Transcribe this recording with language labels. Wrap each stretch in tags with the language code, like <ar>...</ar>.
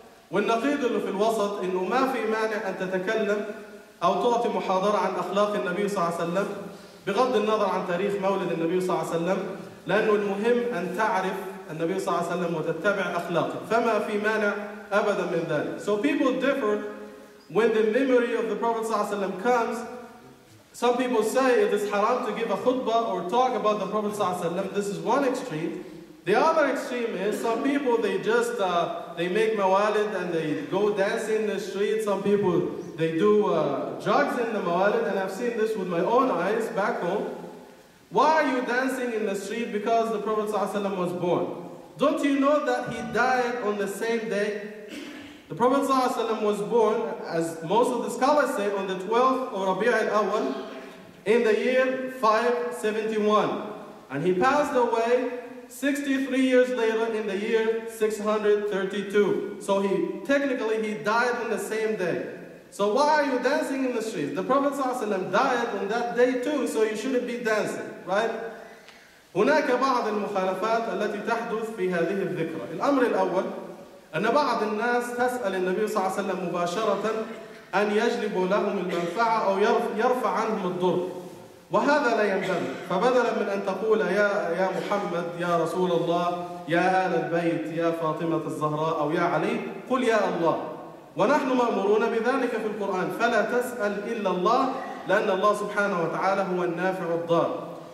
<ar>والنقيض اللي في الوسط إنه ما في مانع أن تتكلم أو تعطي محاضرة عن أخلاق النبي صلى الله عليه وسلم بغض النظر عن تاريخ مولد النبي صلى الله عليه وسلم، لأنه المهم أن تعرف النبي صلى الله عليه وسلم وتتبع أخلاقه، فما في مانع أبدا من ذلك.</ar> <en>So people differ when the memory of the Prophet صلى الله عليه وسلم comes. Some people say it is haram to give a khutbah or talk about the Prophet صلى الله عليه وسلم. This is one extreme. The other extreme is some people, they just they make mawalid and they go dancing in the street. Some people, they do drugs in the mawalid, and I've seen this with my own eyes back home. Why are you dancing in the street? Because the Prophet صلى الله عليه وسلم was born. Don't you know that he died on the same day? The Prophet صلى الله عليه وسلم was born, as most of the scholars say, on the 12th of Rabi' al-Awwal in the year 571. And he passed away 63 years later in the year 632. So technically he died on the same day. So why are you dancing in the streets? The Prophet صلى الله عليه وسلم died on that day too, so you shouldn't be dancing, right?</en> <ar>هناك بعض المخالفات التي تحدث في هذه الذكرى. الأمر الأول أن بعض الناس تسأل النبي صلى الله عليه وسلم مباشرة أن يجلب لهم المنفعة أو يرفع عنهم الضر، وهذا لا ينبغي. فبدلا من أن تقول يا محمد، يا رسول الله، يا آل البيت، يا فاطمة الزهراء، أو يا علي، قل يا الله، ونحن مأمورون بذلك في القرآن، فلا تسأل إلا الله، لأن الله سبحانه وتعالى هو النافع الضار.</ar>